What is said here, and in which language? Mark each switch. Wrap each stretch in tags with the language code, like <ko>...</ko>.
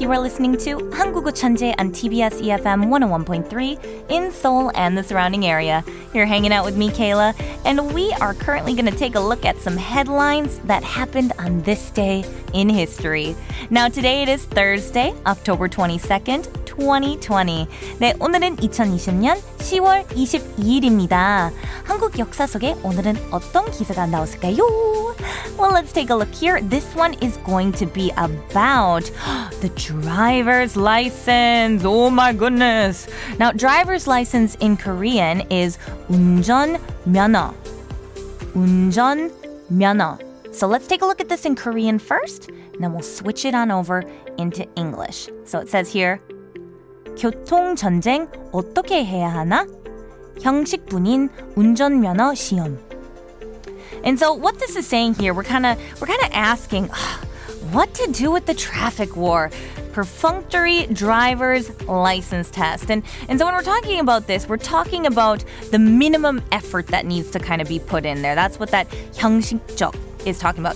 <en>You are listening to 한국어 천재 on TBS EFM 101.3 in Seoul and the surrounding area. You're hanging out with me, Kayla, and we are currently going to take a look at some headlines that happened on this day in history. Now, today it is Thursday, October 22nd, 2020.</en> <ko>네, 오늘은 2020년 10월 22일입니다. 한국 역사 속에 오늘은 어떤 기사가 나왔을까요?</ko> <en>Well, let's take a look here. This one is going to be about the driver's license. Oh my goodness. Now, driver's license in Korean is 운전면허.</en> <ko>운전면허.</ko> <en>So let's take a look at this in Korean first, and then we'll switch it on over into English. So it says here,</en> <ko>교통전쟁 어떻게 해야 하나? 형식뿐인 운전면허 시험.</ko> <en>And so what this is saying here, we're kind of asking, what to do with the traffic war? Perfunctory driver's license test. And so when we're talking about this, we're talking about the minimum effort that needs to kind of be put in there. That's what that 형식적 is talking about.</en>